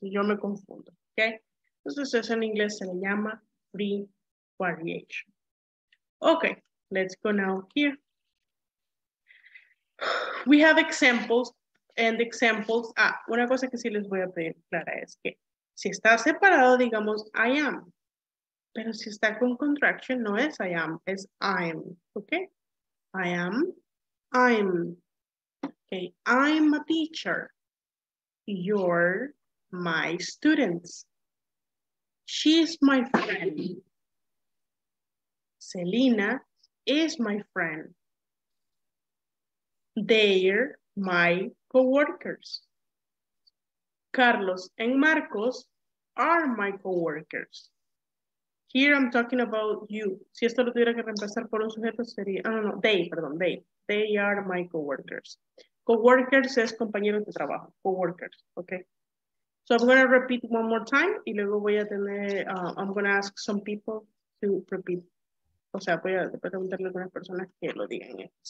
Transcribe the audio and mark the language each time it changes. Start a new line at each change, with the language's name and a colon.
Spanish: Yo me confundo, ¿ok? Entonces eso en inglés se le llama free variation.
English: Ok, let's go now here. We have examples and examples.
Spanish: Ah, una cosa que sí les voy a pedir, Clara, es que si está separado, digamos, I am. Pero si está con contraction, no es I am, es I'm, ¿ok?
English: I am, I'm, ok, I'm a teacher, you're my students, she's my friend, Selena is my friend, they're my co-workers, Carlos and Marcos are my co-workers. Here I'm talking about you.
Spanish: Si esto lo tuviera que reemplazar por un sujeto sería, they.
English: They are my coworkers. Coworkers
Spanish: es compañeros de trabajo.
English: Coworkers, okay. So I'm going to repeat one more time
Spanish: y luego voy a tener,
English: I'm going to ask some people to repeat.
Spanish: O sea, voy a preguntarle a algunas personas que lo digan.